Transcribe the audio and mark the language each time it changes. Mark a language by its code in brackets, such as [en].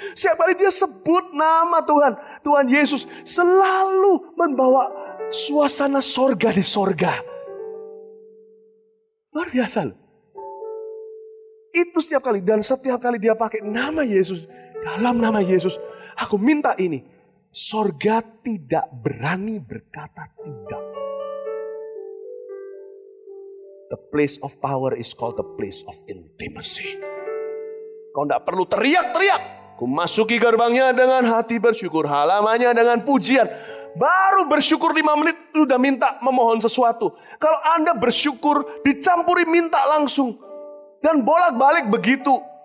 [id] Setiap kali dia sebut nama Tuhan, Tuhan Yesus selalu membawa suasana sorga di sorga. Luar biasa loh. Itu setiap kali, dan setiap kali dia pakai nama Yesus, dalam nama Yesus, aku minta ini. Sorga tidak berani berkata tidak. [en] The place of power is called the place of intimacy. [id] Kau tidak perlu teriak-teriak. Ku masuki gerbangnya dengan hati bersyukur, halamannya dengan pujian. Baru bersyukur 5 menit, sudah minta memohon sesuatu. Kalau Anda bersyukur, dicampuri minta langsung. Dan bolak-balik begitu.